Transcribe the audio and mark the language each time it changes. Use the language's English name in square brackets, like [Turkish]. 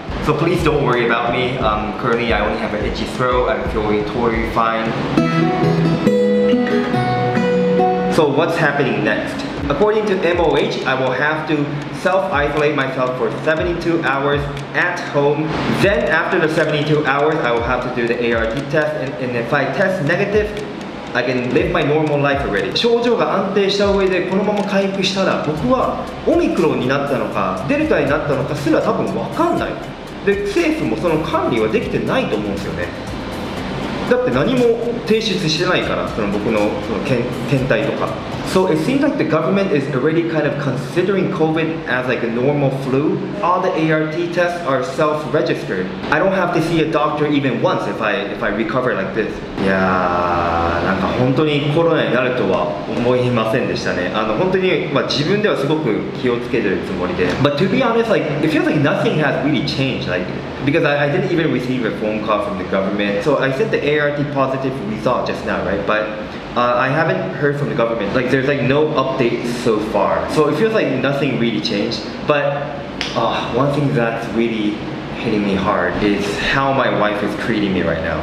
[English] So please don't worry about me. Currently I only have an itchy throat, I'm feeling totally fine. So what's happening next? According to MOH, I will have to self-isolate myself for 72 hours at home. Then after the 72 hours, I will have to do the ART test. And if I test negative, I can live my normal life already. [Japanese] 症状が安定した上でこのまま回復したら、僕はオミクロンになったのか、デルタになったのかすら多分わかんない。で、政府もその管理はできてないと思うんですよね。だって何も提出してないから、その僕の、その検体とか。 [English] So it seems like the government is already kind of considering COVID as like a normal flu. All the ART tests are self-registered. I don't have to see a doctor even once if I recover like this. [Japanese] Yeah, なんか本当にコロナになるとは思いませんでしたね。あの本当にまあ自分ではすごく気をつけてるつもりで。 [English] But to be honest, like it feels like nothing has really changed. Like because I didn't even receive a phone call from the government. So I sent the ART positive result just now, right? ButI haven't heard from the government. Like, there's like no update so far. So it feels like nothing really changed. But one thing that's really hitting me hard is how my wife is treating me right now.